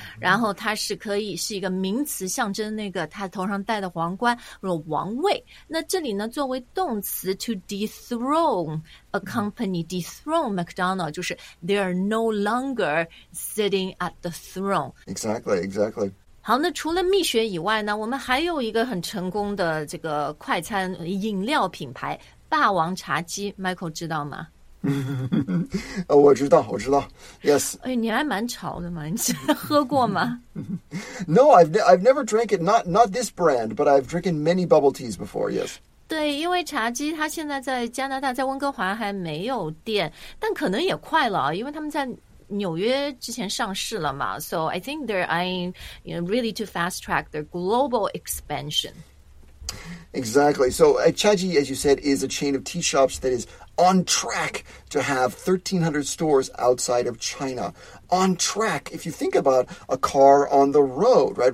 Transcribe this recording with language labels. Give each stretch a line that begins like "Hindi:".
Chinese: 然后他是可以是一个名词，象征那个他头上戴的皇冠或者王位。那这里呢，作为动词
English: to dethrone a company, dethrone McDonald's,
Chinese: 就是
English: they are no longer sitting at the throne. Exactly.
Chinese: 好，那除了蜜雪以外呢，我们还有一个很成功的这个快餐饮料品牌霸王茶姬， Michael 知道吗？我知道
English: Yes.
Chinese: 哎，你还蛮潮的嘛，你喝过吗？
English: No, I've never drank it, not this brand, but I've drinking many bubble teas before, yes.
Chinese: 对，因为茶姬它现在在加拿大，在温哥华还没有店，但可能也快了，因为他们在纽约之前上市了嘛。
English: So I think they're eyeing, you know, really to fast track their global expansion. Exactly. So茶姬, as you said, is a chain of tea shops that is on track to have 1,300 stores outside of China. On track, if you think about a car on the road, right?